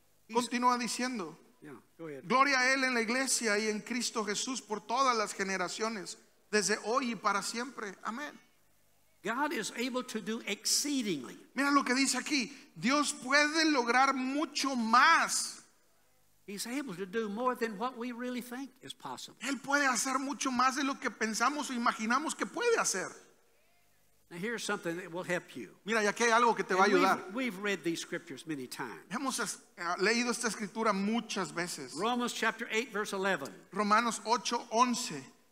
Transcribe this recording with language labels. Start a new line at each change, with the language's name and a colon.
Spanish: Continúa diciendo, gloria a Él en la iglesia y en Cristo Jesús por todas las generaciones, desde hoy y para siempre. Amén.
English: God is able to do exceedingly.
Spanish: Mira lo que dice aquí, Dios puede lograr mucho más.
English: He's able to do more than what we really think is possible.
Spanish: Él puede hacer mucho más de lo que pensamos o imaginamos que puede hacer.
English: Now here's something that will help you.
Spanish: Mira, aquí hay algo que te va a ayudar.
English: We've read these scriptures many times.
Spanish: Hemos leído esta escritura muchas veces.
English: Romans chapter 8 verse 11.
Spanish: Romanos 8:11.